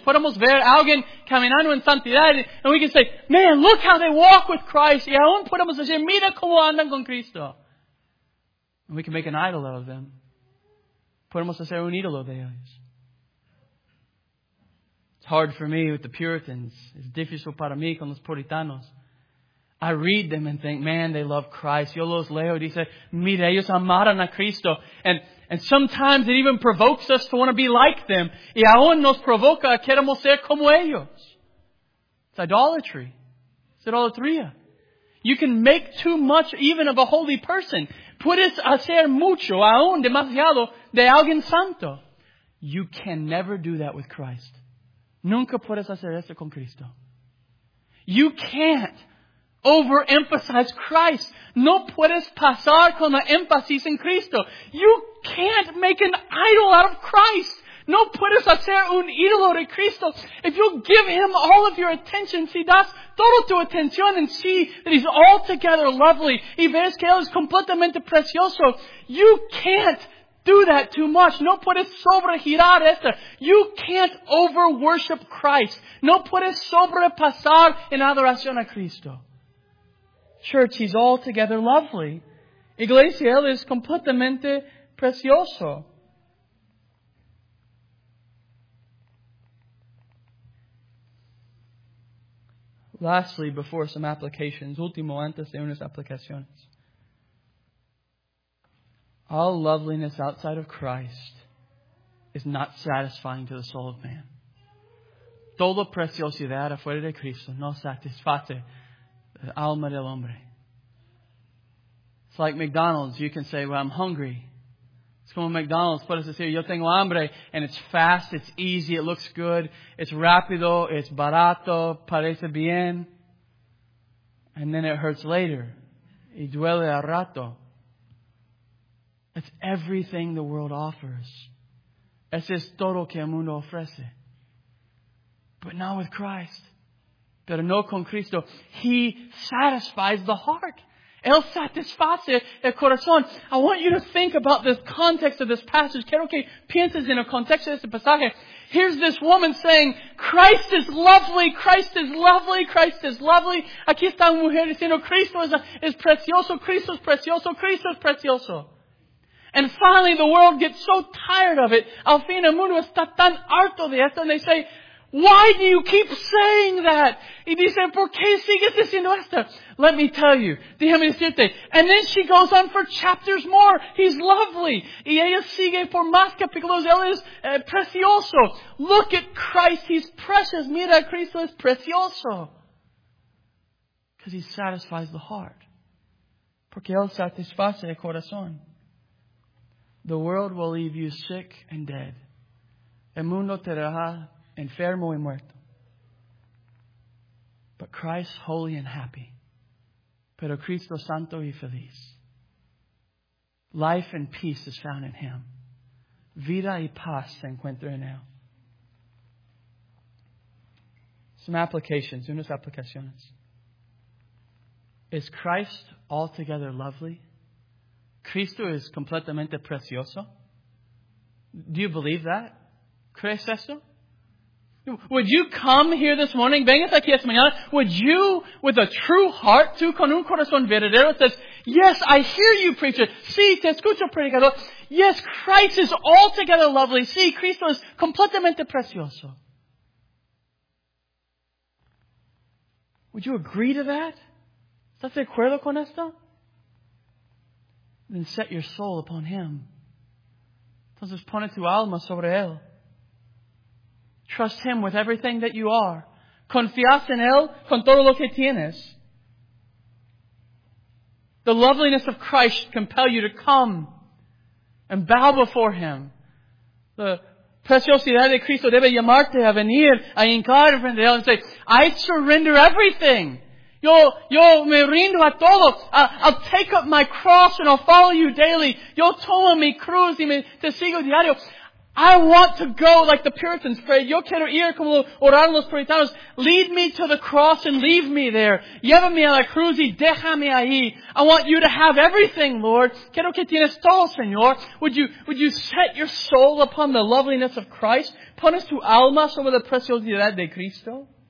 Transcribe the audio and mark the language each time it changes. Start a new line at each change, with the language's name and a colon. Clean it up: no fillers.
Spanish: Podemos ver alguien caminando en santidad.
English: And we can say, man, look how they walk with Christ.
Spanish: Y aún podemos decir, mira cómo andan con Cristo.
English: And we can make an idol out of them.
Spanish: Podemos hacer un ídolo de ellos.
English: It's hard for me with the Puritans.
Spanish: It's difícil para mí con los puritanos.
English: I read them and think, man, they love Christ.
Spanish: Yo los leo, dice, mira, ellos amaron a Cristo.
English: And sometimes it even provokes us to want to be like them.
Spanish: Y aún nos provoca a queremos ser como ellos.
English: It's idolatry. It's idolatría. You can make too much even of a holy person.
Spanish: Puedes hacer mucho, aún demasiado, de alguien santo.
English: You can never do that with Christ.
Spanish: Nunca puedes hacer eso con Cristo.
English: You can't overemphasize Christ.
Spanish: No puedes pasar con la énfasis en Cristo.
English: You can't make an idol out of Christ.
Spanish: No puedes hacer un ídolo de Cristo.
English: If you give Him all of your attention,
Spanish: si das todo tu atención
English: and see that He's altogether lovely,
Spanish: y ves que Él es completamente precioso,
English: you can't do that too much.
Spanish: No puedes sobregirar esto.
English: You can't over-worship Christ.
Spanish: No puedes sobrepasar en adoración a Cristo.
English: Church, He's altogether lovely.
Spanish: Iglesia, Él es completamente precioso.
English: Lastly, before some applications,
Spanish: último antes de unas aplicaciones.
English: All loveliness outside of Christ is not satisfying to the soul of man.
Spanish: Toda preciosidad afuera de Cristo no satisface la alma del hombre.
English: It's like McDonald's. You can say, well, I'm hungry.
Spanish: It's como McDonald's. Puedes decir, yo tengo hambre.
English: And it's fast. It's easy. It looks good. It's rápido. It's barato.
Spanish: Parece bien.
English: And then it hurts later.
Spanish: Y duele al rato.
English: That's everything the world offers.
Spanish: Eso es todo que el mundo ofrece.
English: But not with Christ.
Spanish: Pero no con Cristo.
English: He satisfies the heart.
Spanish: Él satisface el corazón.
English: I want you to think about the context of this passage.
Spanish: Quiero que pienses en el contexto de este pasaje.
English: Here's this woman saying, Christ is lovely, Christ is lovely, Christ is lovely.
Spanish: Aquí está una mujer diciendo, Cristo es precioso, Cristo es precioso, Cristo es precioso.
English: And finally, the world gets so tired of it.
Spanish: Al fin, el mundo está tan harto de esto.
English: And they say, why do you keep saying that?
Spanish: Y dice, ¿por qué sigues diciendo esto?
English: Let me tell you.
Spanish: Déjame decirte.
English: And then she goes on for chapters more. He's lovely.
Spanish: Y ella sigue por más capítulos. Él es precioso.
English: Look at Christ. He's precious.
Spanish: Mira, Cristo es precioso.
English: Because he satisfies the heart.
Spanish: Porque él satisface el corazón.
English: The world will leave you sick and dead.
Spanish: El mundo te dejará enfermo y muerto.
English: But Christ, holy and happy.
Spanish: Pero Cristo santo y feliz.
English: Life and peace is found in Him.
Spanish: Vida y paz se encuentra en Él.
English: Some applications,
Spanish: unas aplicaciones.
English: Is Christ altogether lovely?
Spanish: Cristo es completamente precioso.
English: Do you believe that?
Spanish: ¿Crees eso?
English: Would you come here this morning?
Spanish: Vengas aquí esta mañana.
English: Would you, with a true heart,
Spanish: tú con un corazón verdadero,
English: says, yes, I hear you, preacher.
Spanish: Sí, te escucho, predicador.
English: Yes, Christ is altogether lovely.
Spanish: Sí, Cristo es completamente precioso.
English: Would you agree to that?
Spanish: ¿Estás de acuerdo con esto?
English: Then set your soul upon Him.
Spanish: Entonces pone tu alma sobre Él.
English: Trust Him with everything that you are.
Spanish: Confías en Él con todo lo que tienes.
English: The loveliness of Christ compel you to come and bow before Him.
Spanish: The preciosidad de Cristo debe llamarte a venir a hincar frente a Él
English: and say, I surrender everything.
Spanish: Yo me rindo a todo.
English: I'll take up my cross and I'll follow you daily.
Spanish: Yo tomo mi cruz y me te sigo diario.
English: I want to go like the Puritans prayed.
Spanish: Yo quiero ir como oraron los puritanos.
English: Lead me to the cross and leave me there.
Spanish: Llévame a la cruz y déjame ahí.
English: I want you to have everything, Lord.
Spanish: Quiero que tienes todo, Señor.
English: Would you set your soul upon the loveliness of Christ?
Spanish: Pones tu alma sobre la preciosidad de Cristo?